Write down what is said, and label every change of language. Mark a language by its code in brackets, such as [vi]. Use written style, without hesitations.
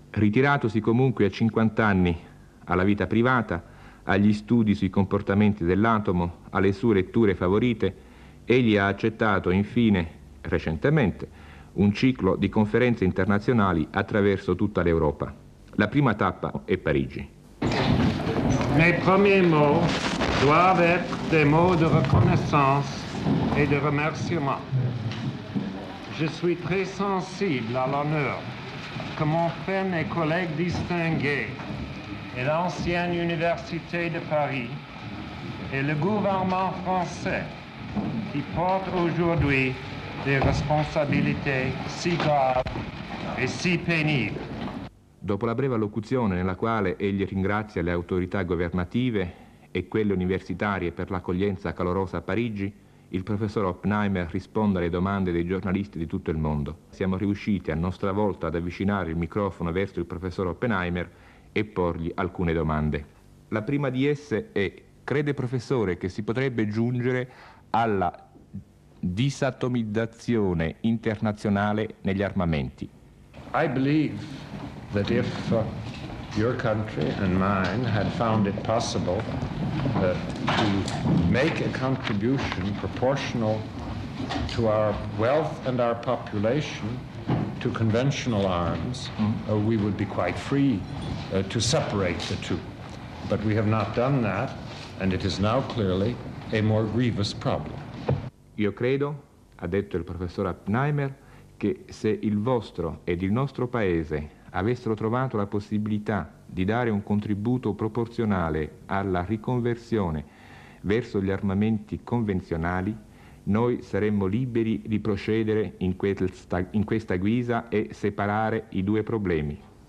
[it] Ritiratosi comunque a 50 anni alla vita privata, agli studi sui comportamenti dell'atomo, alle sue letture favorite, egli ha accettato infine, recentemente, un ciclo di conferenze internazionali attraverso tutta l'Europa. La prima tappa è Parigi. [fr] Mes premiers mots doivent être des mots de reconnaissance et de remerciement. Je suis très sensible à l'honneur que m'ont fait mes collègues distingués et l'ancienne Université de Paris et le gouvernement français qui porte aujourd'hui des responsabilités si graves et si pénibles. [it] Dopo la breve allocuzione nella quale egli ringrazia le autorità governative e quelle universitarie per l'accoglienza calorosa a Parigi, il professor Oppenheimer risponde alle domande dei giornalisti di tutto il mondo. Siamo riusciti a nostra volta ad avvicinare il microfono verso il professor Oppenheimer e porgli alcune domande. La prima di esse è: crede professore che si potrebbe giungere alla disatomizzazione internazionale negli armamenti? [en] I believe that if your country and mine had found it possible to make a contribution proportional to our wealth and our population to conventional arms, we would be quite free to separate the two. But we have not done that, and it is now clearly a more grievous problem. [it] Io credo, ha detto il professor Oppenheimer, che se il vostro ed il nostro paese avessero trovato la possibilità di dare un contributo proporzionale alla riconversione verso gli armamenti convenzionali, noi saremmo liberi di procedere in questa guisa e separare i due problemi.